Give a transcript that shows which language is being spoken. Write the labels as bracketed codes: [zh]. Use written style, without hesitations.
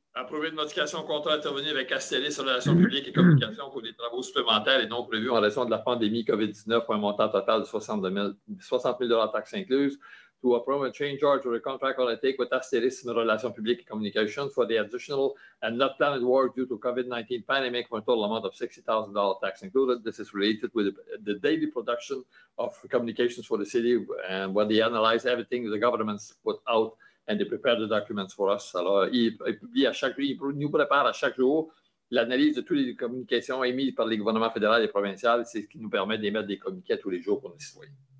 [fr] Approuver une modification au contrat intervenu avec Astellis Relations publiques et communications pour des travaux supplémentaires et non prévus en raison de la pandémie COVID-19 pour un montant total de 60 000 $ taxes incluses. [en] To approve a change order to the contract undertaken with Astellis Relations publiques et communications for the additional and not planned work due to COVID-19 pandemic for a total amount of $60,000 tax included. This is related with the daily production of communications for the city and when they analyze everything the government's put out and they prepare the documents for us. [fr] Alors, il nous prépare à chaque jour l'analyse de toutes les communications émises par les gouvernements fédéral et provincial. C'est ce qui nous permet d'émettre des communiqués tous les jours pour nos citoyens.